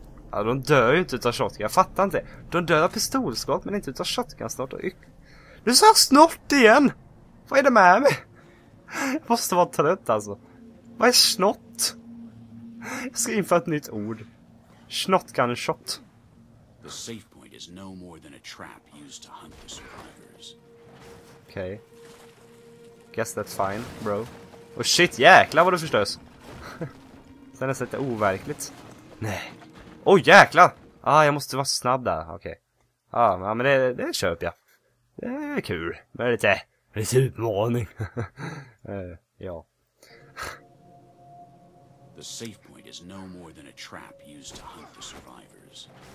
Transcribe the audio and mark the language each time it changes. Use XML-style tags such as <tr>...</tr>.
<sv>Ja, de dör ju inte utav shotgun. Jag fattar inte. De dör av pistolskott men inte utav shotgun snart. Du sa snart igen! Vad är det med mig? Jag måste vara trött alltså. Vad är snott? Jag ska införa ett nytt ord.</sv> <en>Shotgun shot. The safe point is no more than a trap used to hunt the survivors. Okej. Guess that's fine, bro. Oh shit,</en> <sv>jäklar vad du förstörs. Sen är det lite overkligt. Nej. Oh jäklar. Jag måste vara snabb där. Okej. Okay. Men det köper jag. Det är kul. Men det är lite utmaning. Ja.</sv> <en>The safe point is no more than a trap used to hunt the survivors.</en>